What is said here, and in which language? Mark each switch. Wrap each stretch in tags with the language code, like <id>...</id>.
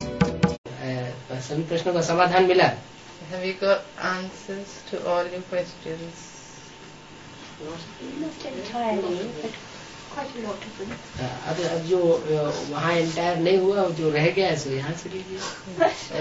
<hi>सभी प्रश्नों का समाधान मिला।</hi> <en>Have you got answers to all your questions? Not entirely, but quite a lot of them.</en> <hi>अब जो वहाँ entire नहीं हुआ जो रह गया है सो यहाँ से लीजिए।</hi>